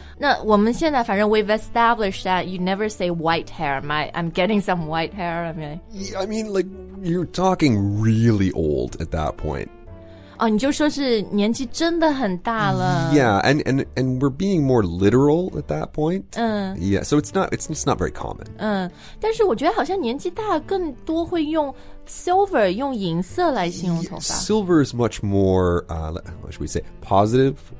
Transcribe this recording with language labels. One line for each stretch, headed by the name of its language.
Chinese: 那我们现在反正
English: we've established that you never say white hair. I'm getting some white hair. I mean, like, you're talking really old at that point.
Chinese: Oh, 你就说是年纪真的很大了。
English: Yeah, and we're being more literal at that point. Yeah, so it's not very common.
Chinese: 但是我觉得好像年纪大更多会用Silver, 用银色来形容头发。
English: Silver is much more, what should we say, positive?